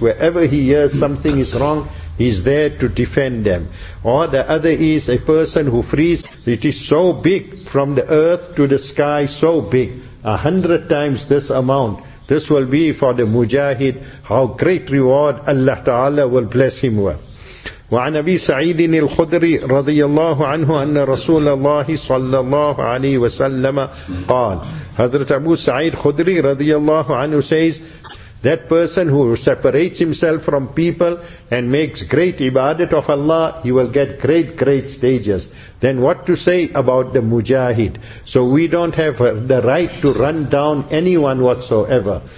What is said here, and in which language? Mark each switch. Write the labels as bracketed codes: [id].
[en] Wherever he hears something is wrong, he is there to defend them. Or the other is a person who frees. It is so big, from the earth to the sky, so big, 100 times this amount. This will be for the mujahid, how great reward Allah Ta'ala will bless him with. [ar] وعن أبي سعيد الخدري رضي الله عنه أن رسول الله صلى الله عليه وسلم قال. [en] حضرت أبو سعيد خدري رضي الله عنه says, that person who separates himself from people and makes great ibadat of Allah, he will get great, great stages. Then what to say about the mujahid? So we don't have the right to run down anyone whatsoever.